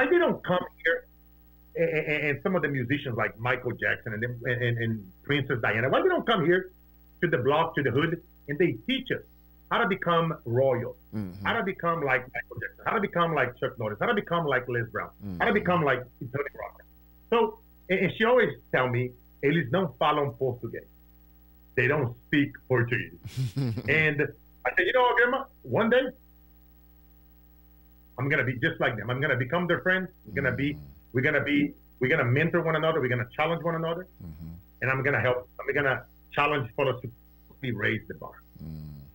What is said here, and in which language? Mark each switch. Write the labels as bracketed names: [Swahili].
[English] why they don't come here and some of the musicians like Michael Jackson and Princess Diana, why they don't come here to the block, to the hood, and they teach us how to become royal, mm-hmm. how to become like Michael Jackson, how to become like Chuck Norris, how to become like Les Brown, mm-hmm. how to become like Tony Robbins. So, and she always tell me, [Portuguese] eles não falam português. [English] They don't speak Portuguese. And I said, you know what, Grandma? One day, I'm going to be just like them. I'm going to become their friend. We're going to mentor one another. We're going to challenge one another. Mm-hmm. And I'm going to help. I'm going to challenge for us to raise the bar. Mm-hmm.